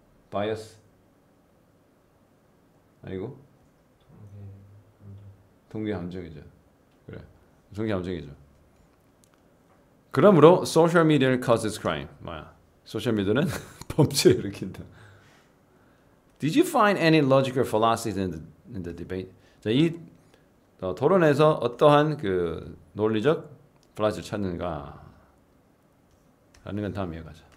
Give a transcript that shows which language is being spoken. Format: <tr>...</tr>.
<ko>바이어스 아니고? 동기 함정이죠. 그래. 동기 함정이죠. 그러므로 소셜 미디어는</ko> <en>causes crime.</en> <ko>뭐야? 소셜 미디어는 범죄를 일으킨다.</ko> <en>Did you find any logical fallacies in the debate?</en> <ko>자, 이 토론에서 어떠한 그 논리적 플라즈를 찾는가? 하는 건 다음에 가자.</ko>